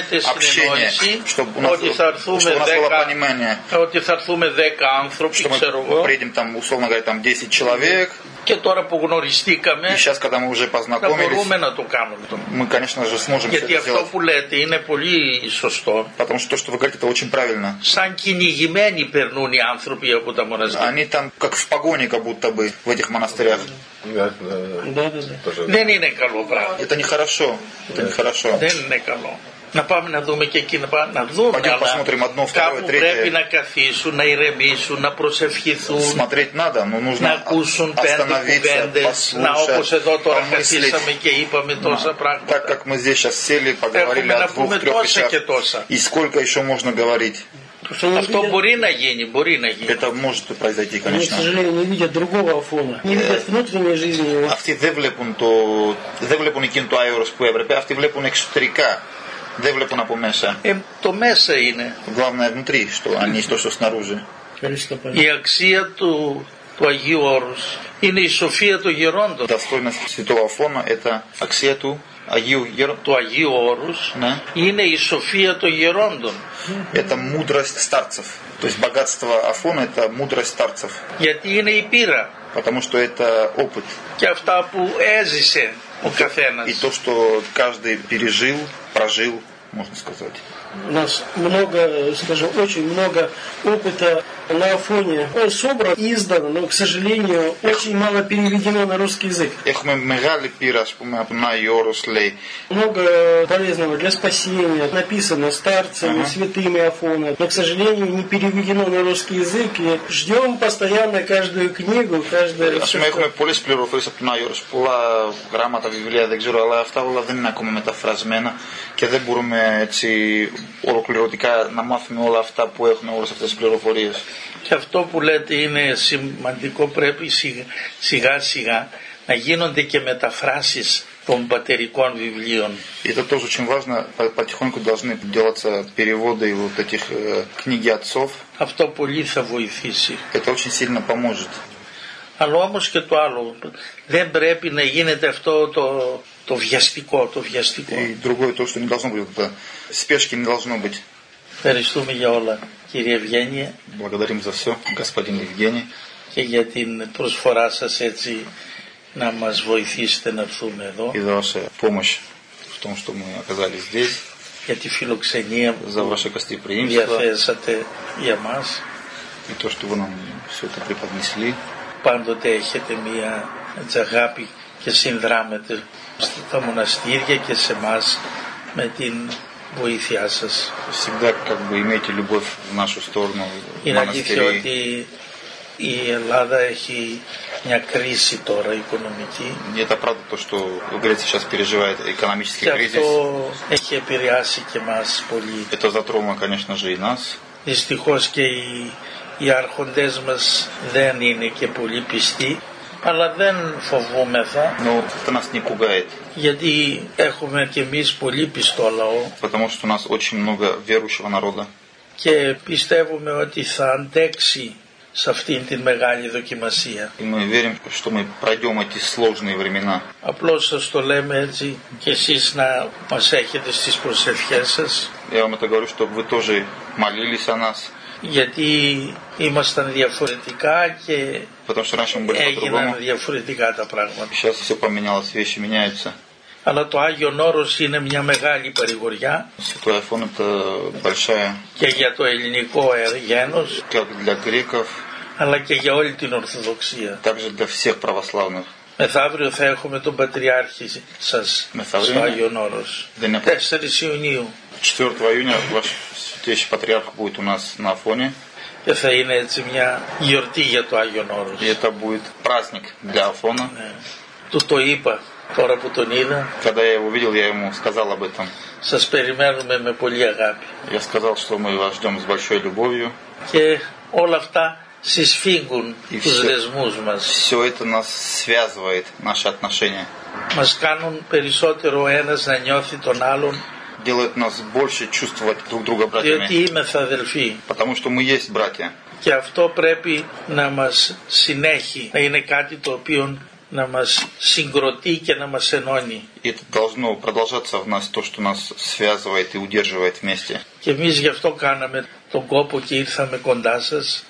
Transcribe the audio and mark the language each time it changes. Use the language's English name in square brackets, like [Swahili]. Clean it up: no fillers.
[Russian] общение, [Greek] ότι θα έρθουμε 10, ότι θα έρθουμε 10 άνθρωποι, ξέρω εγώ. Πρέπει [Russian] там условно говоря там 10 человек. [Greek] Και τώρα που γνωριστήκαμε, [Russian] сейчас, [Greek] θα μπορούμε να το κάνουμε. [Russian] Мы, конечно же, сможем. [Greek] Γιατί αυτό [Russian] сделать. [Greek] Που λέτε είναι πολύ σωστό. [Russian] Потому что то, что вы говорите, это очень правильно. [Greek] Σαν κυνηγημένοι περνούν οι άνθρωποι από τα μοναστήρια. [Russian] Они там как в погоне, как будто бы в этих монастырях. Да. [Greek] Δεν είναι καλό πράγμα. [Russian] Это нехорошо. Это нехорошо. [Greek] Δεν είναι καλό. Να πάμε να δούμε και εκεί, να δούμε. Πάμε αλλά [Russian] посмотрим, одно, [Greek] κάπου [Russian] второе, третье. [Greek] Πρέπει να καθίσουν, να ηρεμήσουν, να προσευχηθούν. [Russian] Смотреть надо, но нужно [Greek] να ακούσουν πέντε κουβέντες. Να όπως εδώ τώρα καθίσαμε και είπαμε τόσα πράγματα. [Russian] Так как мы здесь сейчас сели, поговорили о двух, трех вещах. И сколько еще можно говорить? [Greek] Αυτό μπορεί να γίνει, μπορεί να γίνει. [Russian] Это может произойти, конечно. Они, к сожалению, не видят другого Афона. Не видят внутренней жизни его. [Greek] Αυτοί δεν βλέπουν το, δεν βλέπουν εκείνο το αίωρος που έπρεπε. Αυτοί βλέπουν εξωτερικά. Δεν βλέπουν από μέσα. Το μέσα είναι. [Russian] Главное внутри, что они то, что снаружи. [Greek] Η αξία του Αγίου Όρους είναι η σοφία των γερόντων. Τα φόρνα του Αφώνα, [Russian] это [Greek] αξία του Αγίου Γερόντων. Του Αγίου Όρους είναι η σοφία των γερόντων. [Russian] Это мудрость старцев. То есть богатство Афона это мудрость старцев. [Greek] Γιατί είναι η πείρα. [Russian] Потому что это опыт. [Greek] Και αυτά που έζησε ο καθένας. [Russian] И то, что каждый пережил, прожил, можно сказать. У нас много, скажем, очень много опыта на Афоне. Он собран, издан, но, к сожалению, очень мало переведено на русский язык. [Greek] Эхме мегали пира, скажем, на Йорослей. [Russian] Много полезного для спасения написано старцами, святыми Афона. Но, к сожалению, не переведено на русский язык. И ждем постоянно каждую книгу, каждое... [Greek] Эхме эхме полис плюрофрис ап на Йорос. Пула грамота, библия, дек зюру, але авта ула дэн на коме метафразмена. Και δεν μπορούμε έτσι ολοκληρωτικά να μάθουμε όλα αυτά που έχουμε, όλες αυτές τις πληροφορίες. Και αυτό που λέτε είναι σημαντικό, πρέπει σιγά-σιγά να γίνονται και μεταφράσεις των πατερικών βιβλίων. [Russian] Это тоже очень важно, потихоньку должны делаться переводы вот этих книг отцов. [Greek] Αυτό πολύ θα βοηθήσει. [Russian] Это очень сильно поможет. [Greek] Αλλά όμως και το άλλο, δεν πρέπει να γίνεται αυτό το... Το βιαστικό, το βιαστικό. [Russian] И другое то, что не должно быть. Да. Спешки не должно быть. [Greek] Ευχαριστούμε για όλα, κύριε Ευγένιε. [Russian] Благодарим за все, господин Евгений. [Greek] Και για την προσφορά σας έτσι να μας βοηθήσετε να έρθουμε εδώ. [Russian] И за вашу помощь в том, что мы оказались здесь. [Greek] Για τη φιλοξενία [Russian] за ваше гостеприимство. [Greek] Διαθέσατε για μας. [Russian] И то, что вы нам все это преподнесли. [Greek] Πάντοτε έχετε μια αγάπη και συνδράμετε στα μοναστήρια και σε εμάς με την βοήθειά σας. [Russian] Всегда как бы имейте любовь в нашу сторону. [Greek] Είναι αλήθεια ότι η Ελλάδα έχει μια κρίση τώρα οικονομική. [Russian] Не это правда то, что Греция сейчас переживает экономический кризис. [Greek] Και αυτό έχει επηρεάσει και εμάς πολύ. [Russian] Это затронуло, конечно же, и нас. [Greek] Δυστυχώς και οι άρχοντές μας δεν είναι και πολύ πιστοί. Αλλά δεν φοβούμεθα. [Russian] Ну, это нас не пугает. [Greek] Γιατί έχουμε και εμείς πολύ πιστό λαό. [Russian] Потому что у нас очень много верующего народа. [Greek] Και πιστεύουμε ότι θα αντέξει с αυτήν την μεγάλη δοκιμασία. [Russian] И мы верим, что мы пройдем эти сложные времена. [Greek] Απλώς σας το λέμε έτσι και εσείς να μας έχετε στις προσευχές σας. [Russian] Я вам это говорю, чтобы вы тоже молились о нас. [Greek] Γιατί ήμασταν διαφορετικά και έγιναν διαφορετικά τα πράγματα. [Russian] Сейчас все поменялось, вещи меняются. [Greek] Αλλά το Άγιον Όρος είναι μια μεγάλη παρηγοριά. [Russian] Святой Афон это большая. [Greek] Και για το ελληνικό γένος. [Russian] Как для греков. [Greek] Αλλά και για όλη την Ορθοδοξία. [Russian] Также для всех православных. [Greek] Μεθαύριο θα έχουμε τον Πατριάρχη σας Μεθαύριο στο Άγιον Όρος. 4 Ιουνίου. 4 Ιουνίου [Russian] ваш Святейший Патриарх будет у нас на Афоне. [Greek] Και θα είναι έτσι μια γιορτή για το Άγιον Όρος. [Russian] И это будет праздник для Афона. [Greek] Του το είπα. Τώρα που τον είδα, [Russian] когда я его видел, я ему сказал об этом. [Greek] Σας περιμένουμε με πολύ αγάπη. [Russian] Я сказал, что мы вас ждем с большой любовью. [Greek] Και όλα αυτά συσφίγγουν τους δεσμούς μας. [Russian] Все это нас связывает, наши отношения. [Greek] Μας κάνουν περισσότερο ένας να νιώθει τον άλλον. [Russian] Делают нас больше чувствовать друг друга братьями. [Greek] Διότι είμαστε αδελφοί. [Russian] Потому что мы есть братья. [Greek] Και αυτό πρέπει να μας συνέχει, να είναι κάτι το οποίο να μας συγκροτεί και να μας ενώνει. [Russian] Это должно продолжаться в нас то, что нас связывает и удерживает вместе. [Greek] Και εμείς γι' αυτό κάναμε τον κόπο και ήρθαμε κοντά σας.